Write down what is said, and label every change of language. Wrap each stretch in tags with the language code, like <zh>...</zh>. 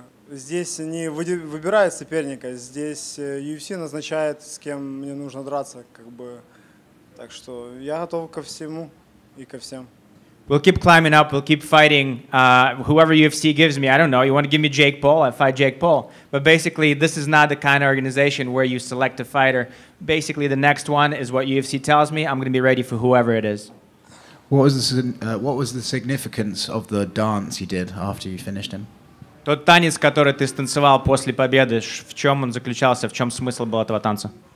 <ru>Здесь не выбирают соперника, здесь UFC назначает, с кем мне нужно драться. Так что я готов ко всему и ко всем.</ru> <en>We'll keep climbing up, we'll keep fighting. Whoever UFC gives me, I don't know, you want to give me Jake Paul, I fight Jake Paul. But basically, this is not the kind of organization where you select a fighter. Basically, the next one is what UFC tells me, I'm going to be ready for whoever it is. What was the significance of the dance you did after you finished him?</en> <ru>Тот танец, который ты станцевал после победы, в чем он заключался, в чем смысл был этого танца?</ru>